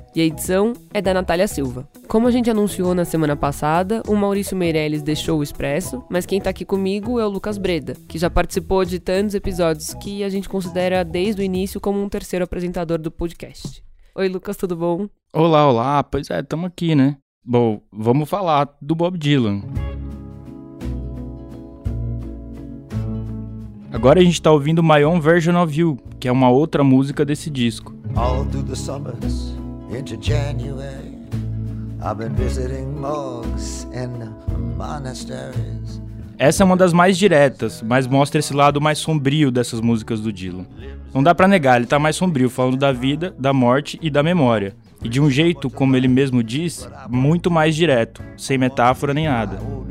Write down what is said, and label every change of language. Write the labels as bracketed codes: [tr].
[pt] E a edição é da Natália Silva. Como a gente anunciou na semana passada, o Maurício Meirelles deixou o Expresso, mas quem tá aqui comigo é o Lucas Breda, que já participou de tantos episódios que a gente considera desde o início como um terceiro apresentador do podcast. Oi, Lucas, tudo bom? Olá, olá. Pois é, tamo aqui, né? Bom, vamos falar do Bob Dylan. Agora a gente tá ouvindo My Own Version of You, que é uma outra música desse disco. [en] All through the summers into January, I've been visiting monks and monasteries. [pt] Essa é uma das mais diretas, mas mostra esse lado mais sombrio dessas músicas do Dylan. Não dá pra negar, ele tá mais sombrio, falando da vida, da morte e da memória. E de um jeito, como ele mesmo diz, muito mais direto, sem metáfora nem nada.